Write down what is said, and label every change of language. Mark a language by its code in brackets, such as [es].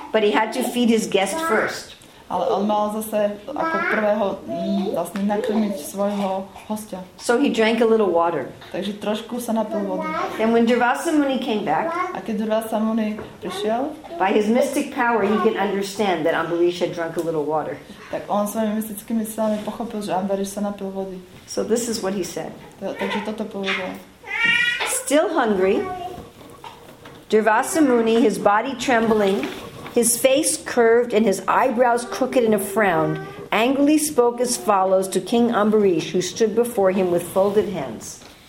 [en] But he had to feed his guest first. [sk] Ale on mal zase ako prvého vlastne nakrmiť svojho hostia. [en] So he drank a little water. [sk] Takže trošku sa napil vody. [en] And when Durvasa Muni came back, [sk] a keď Durvasa Muni prišiel, [en] by his mystic power he could understand that Ambarish had drunk a little water. [sk] Tak on svojimi mystickými silami pochopil, že Ambarish sa napil vody. [en] So this is what he said. [sk] Takže toto povedal. [en] Still hungry, Durvasa Muni, his body trembling, his face curved and his eyebrows crooked in a frown, angrily spoke as follows to King Ambarish, who stood before him with folded hands.